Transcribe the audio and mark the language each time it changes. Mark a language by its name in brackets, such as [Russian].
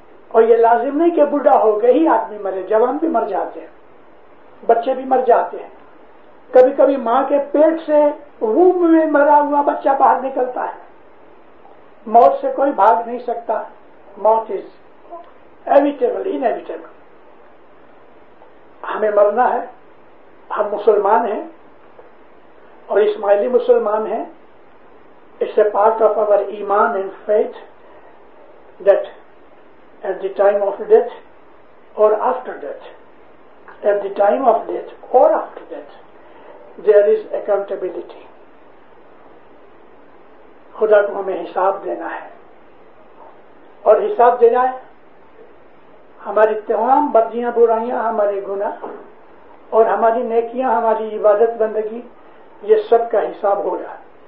[Hindi] और ये लाजिम नहीं कि बूढ़ा हो गए ही आदमी मरे, जवान भी मर जाते हैं, बच्चे भी मर जाते हैं, कभी कभी मां के पेट से वूम में मरा हुआ बच्चा बाहर निकलता है। मौत से कोई भाग नहीं सकता, मौत [English] is evitable, inevitable, [Hindi] हमें मरना है। हम मुसलमान हैं और इस्माइली मुसलमान हैं, [English] It's a part of our ईमान and faith that at the time of death or after death, at the time of death or after death, there is accountability. [Hindi] खुदा को हमें हिसाब देना है, और हिसाब देना है हमारी तमाम बदियां बुराइयां, हमारे गुना और हमारी नेकियां, हमारी इबादत बंदगी, ये सब का हिसाब होगा।